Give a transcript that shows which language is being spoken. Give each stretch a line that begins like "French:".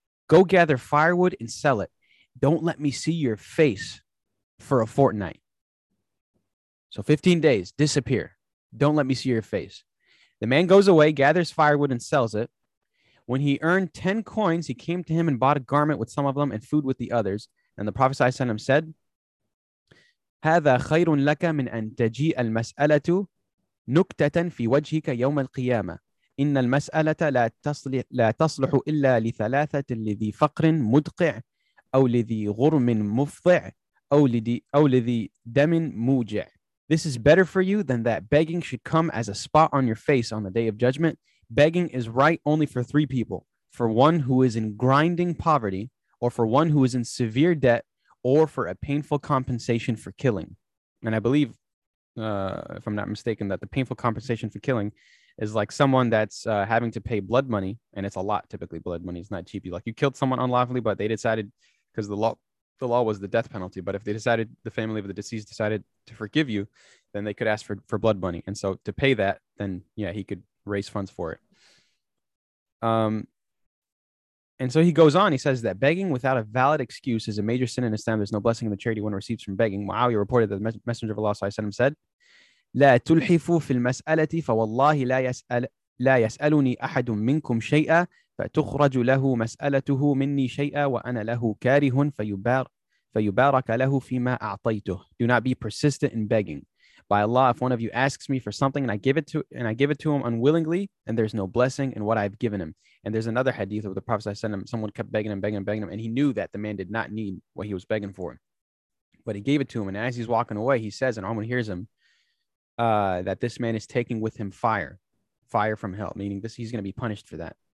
English: Go gather firewood and sell it. Don't let me see your face for a fortnight. So 15 days, disappear. Don't let me see your face. The man goes away, gathers firewood and sells it. When he earned 10 coins, he came to him and bought a garment with some of them and food with the others. And the Prophet ﷺ said,
Arabic: هذا خير لك من أن تجيء المسألة نكتة في وجهك يوم القيامة إن المسألة لا تصلح إلا لثلاثة لذي فقر مدقع أو لذي غرم مفضع أو لذي دم موجع.
English: This is better for you than that begging should come as a spot on your face on the day of judgment. Begging is right only for three people: for one who is in grinding poverty, or for one who is in severe debt, or for a painful compensation for killing. And I believe if I'm not mistaken, that the painful compensation for killing is like someone that's having to pay blood money, and it's a lot. Typically, blood money is not cheap. Like, you killed someone unlawfully, but they decided, because the law was the death penalty. But if they decided, the family of the deceased decided to forgive you, then they could ask for blood money. And so to pay that, then yeah, he could raise funds for it. And so he goes on, he says that begging without a valid excuse is a major sin in Islam. There's no blessing in the charity one receives from begging. Wow, you reported that the Messenger of Allah
Arabic: وسلم, said, لا تلحفوا في المسألة فوالله لا يسألني أحد منكم شيئا فتخرج له مسألته مني شيئا وأنا له كاره فيبارك له فيما أعطيته.
English: Do not be persistent in begging. By Allah, if one of you asks me for something and I give it to him unwillingly, and there's no blessing in what I've given him. And there's another hadith of the Prophet ﷺ, someone kept begging him, and he knew that the man did not need what he was begging for. But he gave it to him, and as he's walking away, he says, and Umar hears him, that this man is taking with him fire from hell, meaning this, he's going to be punished for that.